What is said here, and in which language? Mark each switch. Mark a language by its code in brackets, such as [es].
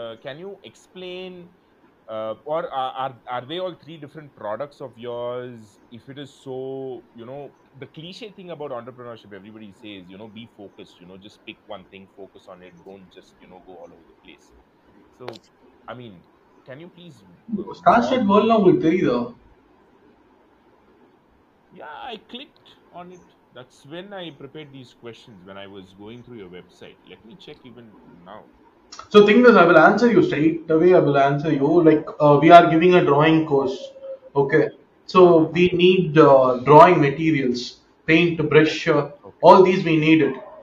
[en] Can you explain or are they all three different products of yours? If it is so, you know, the cliche thing about entrepreneurship, everybody says, you know, be focused, you know, just pick one thing, focus on it. Don't just, you know, go all over the place. So, I mean, can you please... Starship world, now, [ta] உங்களுக்கு தெரியுதோ? [en] Yeah, I clicked on it. That's when I prepared these questions, when I was going through your website. Let me check even now. So thing is, I will answer you straight away. I will answer you like, we are giving a drawing course. Okay. So we need drawing materials, paint, brush, all these we needed.